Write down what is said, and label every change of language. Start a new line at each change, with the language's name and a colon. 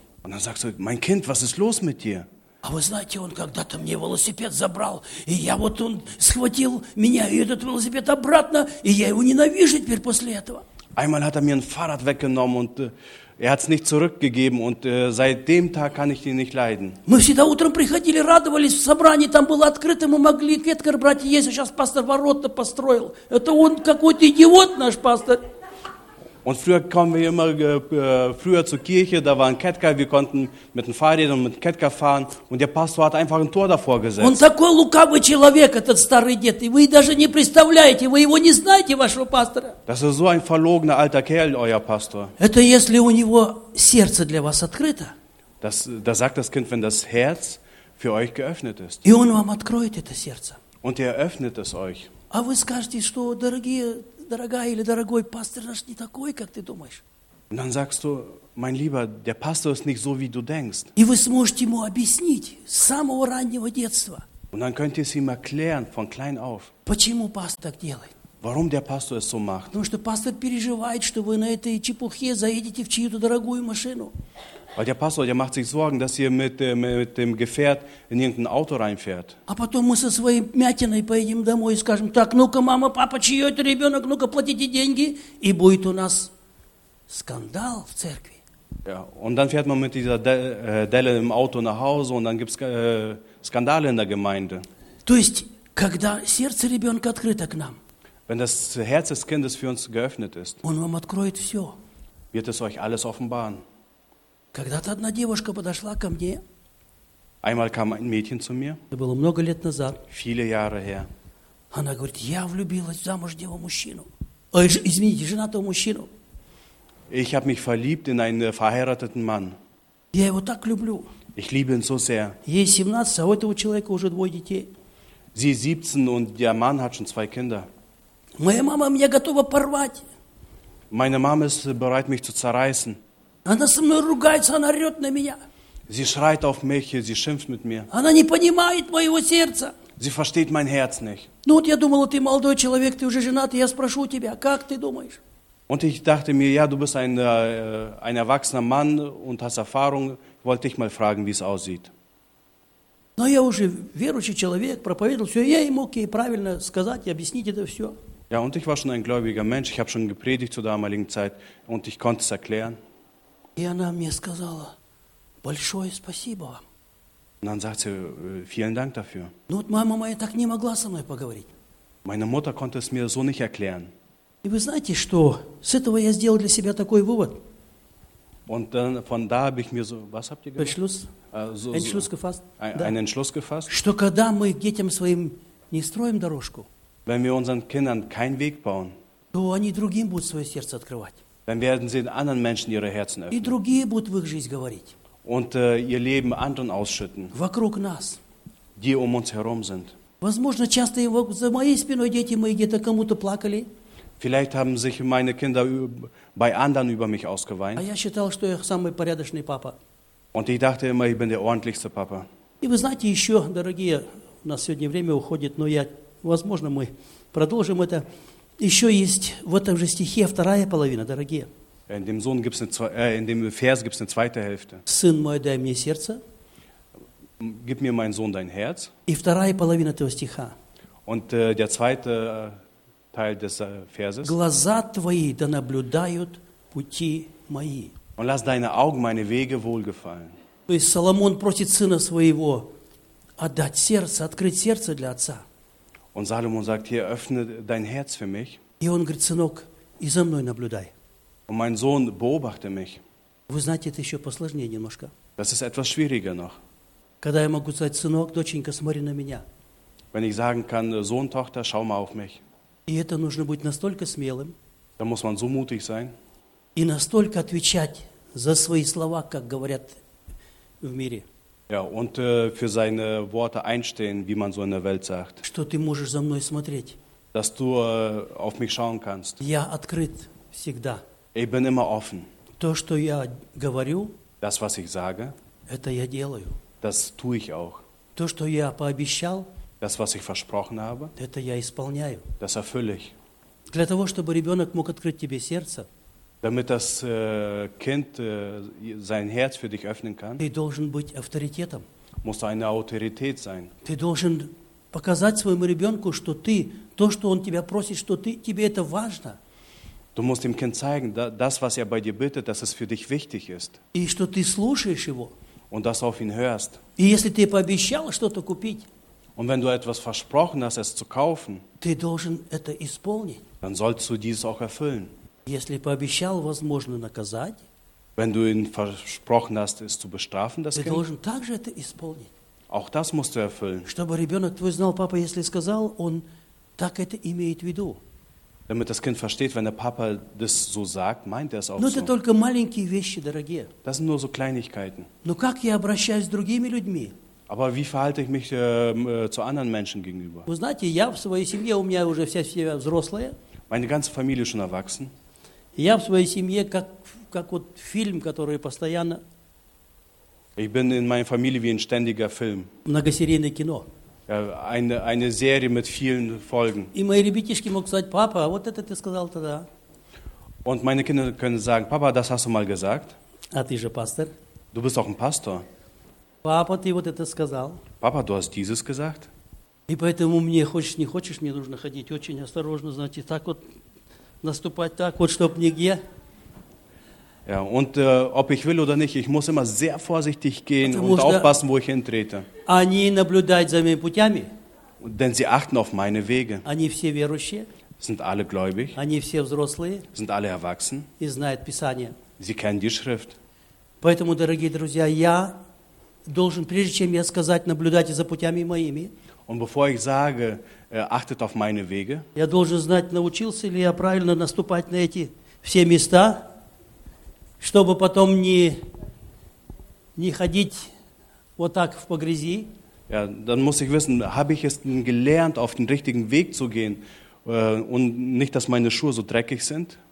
German: Und dann sagst du, mein Kind, was ist los mit dir? Aber
Russian: знаете, он когда-то мне велосипед забрал, и я вот он схватил меня и этот велосипед обратно, и я его ненавижу теперь после этого.
German: Einmal hat er mir ein Fahrrad weggenommen und er hat es nicht zurückgegeben und seit dem Tag kann ich ihn nicht leiden.
Russian: Мы всегда утром приходили, радовались в собрании, там было открыто, мы могли кеткер брать и есть, а сейчас пастор ворота построил. Это он какой-то идиот наш пастор.
German: Und früher kamen wir immer früher zur Kirche, da war ein Kettker, wir konnten mit dem Fahrrad und mit dem Kettker fahren und der Pastor hat einfach ein Tor davor gesetzt.
Russian: Он такой лукавый человек, этот старый дед, и вы даже не представляете, вы его не знаете, вашего пастора.
German: Das ist so ein verlogener alter Kerl, euer Pastor.
Russian: Это если у него сердце для вас открыто.
German: Das sagt das Kind, wenn das Herz für euch geöffnet ist.
Russian: И он вам откроет это сердце.
German: Und er öffnet es euch.
Russian: А вы скажете, что, дорогие, дорогая или дорогой, пастор наш не такой, как ты думаешь.
German: Dann sagst du, mein Lieber, der Pastor ist nicht so, wie du denkst.
Russian: И вы сможете ему объяснить с самого раннего детства.
German: Und dann könnt ihr es ihm erklären, von klein auf.
Russian: Почему пастор так делает?
German: Warum der Pastor es so macht?
Russian: Потому что пастор переживает, что вы на этой чепухе заедете в чью-то дорогую машину.
German: Weil der Pastor, der macht sich Sorgen, dass ihr mit dem Gefährt in irgendein Auto reinfährt.
Russian: А потом мы со своей мятиной поедем домой и скажем, так, ну-ка, мама, папа, чьё это ребёнок, ну-ка, платите деньги, и будет у нас скандал в церкви.
German: Ja, und dann fährt man mit dieser Delle im Auto nach Hause und dann gibt's Skandale in der Gemeinde.
Russian: То есть, когда сердце ребёнка открыто к нам,
German: wenn das Herz des Kindes für uns geöffnet ist,
Russian: он вам откроет всё,
German: wird es euch alles offenbaren.
Russian: Когда-то одна девушка подошла ко мне.
German: Einmal kam ein Mädchen zu mir.
Russian: Это было много лет назад.
German: Viele Jahre her.
Russian: Она говорит, я влюбилась в замужнего мужчину. Ой, извините, женатого мужчину.
German: Ich habe mich verliebt in einen verheirateten Mann.
Russian: Я его так люблю.
German: Ich liebe ihn so sehr.
Russian: Ей 17, а у этого человека уже двое детей.
German: Sie ist 17 und der Mann hat schon zwei Kinder.
Russian: Моя мама меня готова порвать.
German: Meine Mama ist bereit, mich zu zerreißen.
Russian: Она со мной ругается, она орет на меня.
German: Sie schreit auf mich, sie schimpft mit mir.
Russian: Она не понимает моего сердца.
German: Sie versteht mein Herz nicht.
Russian: Ну вот я думал, ты молодой человек, ты уже женат, я спрошу тебя, как ты думаешь?
German: Und ich dachte mir, ja, du bist ein erwachsener Mann und hast Erfahrung, wollte ich mal fragen, wie es aussieht.
Russian: Но я уже верующий человек, проповедовал все, я мог ей правильно сказать и объяснить это все.
German: Ja, und ich war schon ein gläubiger Mensch, ich habe schon gepredigt zur damaligen Zeit und ich konnte es erklären.
Russian: И она мне сказала, большое спасибо вам.
German: Und dann sagt sie, vielen Dank dafür.
Russian: Ну вот мама моя так не могла со мной поговорить.
German: Meine Mutter konnte es mir so nicht erklären.
Russian: И вы знаете, что с этого я сделал для себя такой вывод?
German: Und dann, von da habe ich mir so, was habt ihr gesagt? Entschluss gefasst. Einen Entschluss gefasst.
Russian: Что когда мы детям своим не строим дорожку,
German: wenn wir unseren Kindern keinen Weg bauen,
Russian: то они другим будут свое сердце открывать.
German: Dann werden sie den anderen Menschen ihre Herzen öffnen.
Russian: И другие будут в их жизнь говорить.
German: Und ihr Leben anderen ausschütten.
Russian: Вокруг нас.
German: Die um uns herum sind.
Russian: Возможно, часто за моей спиной дети мои где-то кому-то плакали.
German: Vielleicht haben sich meine Kinder bei anderen über mich ausgeweint.
Russian: А я считал, что я самый порядочный папа.
German: Und ich dachte immer, ich bin der ordentlichste Papa.
Russian: И вы знаете, еще, дорогие, у нас сегодня время уходит, но я, возможно, мы продолжим это. Еще есть в этом же стихе вторая половина, дорогие.
German: In dem Sohn gibt's eine, in dem Vers gibt's eine zweite Hälfte.
Russian: Сын мой, дай мне сердце.
German: Gib mir, mein Sohn, dein Herz.
Russian: И вторая половина этого стиха.
German: Und der zweite Teil des Verses.
Russian: Глаза твои да наблюдают пути мои.
German: Und lass deine Augen meine Wege wohlgefallen.
Russian: То есть Соломон просит сына своего отдать сердце, открыть сердце для отца.
German: Und Salomon sagt hier, öffne dein Herz für mich.
Russian: И он говорит, сынок, и за мной наблюдай.
German: Und mein Sohn, beobachte mich.
Russian: Вы знаете, это еще посложнее немножко.
German: Das ist etwas schwieriger noch.
Russian: Когда я могу сказать, сынок, доченька, смотри на меня.
German: Wenn ich sagen kann, Sohn, Tochter, schau mal auf mich.
Russian: И это нужно быть настолько смелым.
German: Da muss man so mutig sein.
Russian: И настолько отвечать за свои слова, как говорят в мире.
German: Ja, und für seine Worte einstehen, wie man so in der Welt sagt.
Russian: Что ты можешь за мной смотреть.
German: Dass du auf mich schauen kannst.
Russian: Я открыт всегда.
German: Ich bin immer offen.
Russian: То, что я говорю,
German: das, was ich sage,
Russian: это я делаю.
German: Das tue ich auch.
Russian: То, что я пообещал,
German: das, was ich versprochen habe,
Russian: это я исполняю.
German: Das erfülle ich.
Russian: Для того, чтобы ребенок мог открыть тебе сердце,
German: damit das Kind sein Herz für dich öffnen kann,
Russian: ты должен быть авторитетом.
German: Musst du eine Autorität sein.
Russian: Ты должен показать своему ребенку, что ты, то, что он тебя просит, что ты, тебе это важно.
German: Du musst dem Kind zeigen, das, was er bei dir bittet, dass es für dich wichtig ist.
Russian: И что ты слушаешь его.
German: Und dass du auf ihn hörst.
Russian: И если ты пообещал что-то купить.
German: Und wenn du etwas versprochen hast, es zu kaufen.
Russian: Ты должен это исполнить.
German: Dann sollst du dies auch erfüllen.
Russian: Если пообещал, возможно, наказать.
German: Wenn du ihn versprochen hast, es zu bestrafen, das
Russian: ты
German: Kind.
Russian: Ты должен также это исполнить.
German: Auch das musst du erfüllen.
Russian: Чтобы ребенок твой знал, папа, если сказал, он так это имеет в виду.
German: Damit das Kind versteht, wenn der Papa das so sagt, meint er es auch
Russian: Но
German: so.
Russian: Но это только маленькие вещи, дорогие.
German: Das sind nur so Kleinigkeiten.
Russian: Но как я обращаюсь с другими людьми?
German: Aber wie verhalte ich mich zu anderen Menschen gegenüber?
Russian: Вы знаете, я в своей семье, у меня уже вся семья взрослая.
German: Meine ganze Familie schon erwachsen.
Russian: Я в своей семье как вот фильм, который постоянно...
German: Ich bin in meiner Familie wie ein ständiger Film.
Russian: Многосерийное кино.
German: Eine Serie mit vielen Folgen.
Russian: И мои ребятишки могут сказать, папа, вот это ты сказал тогда.
German: Und meine Kinder können sagen, Papa, das hast du mal gesagt.
Russian: А ты же пастор.
German: Du bist auch ein Pastor.
Russian: Папа, ты вот это сказал.
German: Papa, du hast dieses gesagt.
Russian: И поэтому мне, хочешь не хочешь, мне нужно ходить очень осторожно, знаете, так вот наступать, так вот, чтоб нигде.
German: Ja, und ob ich will oder nicht, ich muss immer sehr vorsichtig gehen und aufpassen, wo ich hintrete.
Russian: Они наблюдают за моими путями.
German: Denn sie achten auf meine Wege.
Russian: Они все верующие.
German: Sind alle gläubig.
Russian: Они все взрослые.
German: Sind alle erwachsen.
Russian: И знают Писание.
German: Sie kennen die Schrift.
Russian: Поэтому, дорогие друзья, я должен, прежде чем я сказать, наблюдайте за путями моими.
German: Und bevor ich sage, achtet auf meine Wege.
Russian: Я должен знать, научился ли я правильно наступать на эти все места, чтобы потом не ходить вот так в погрязи.
German: Ja, dann muss ich wissen, habe ich es gelernt, auf den richtigen Weg zu gehen und nicht, dass meine Schuhe so dreckig sind?